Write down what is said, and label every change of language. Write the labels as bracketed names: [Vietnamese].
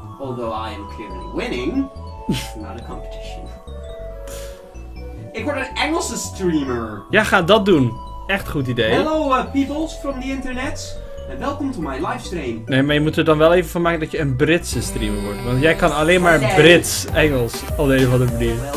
[English] Although I am clearly winning, not a competition. [Dutch] Ik word een Engelse streamer. Ja, ga dat doen. Echt goed idee. [English] Hello peoples from the internet. [Dutch] En welkom [English] to my livestream. [Dutch] Nee, maar je moet er dan wel even van maken dat je een Britse streamer wordt. Want jij kan alleen maar Brits Engels op de een of andere manier.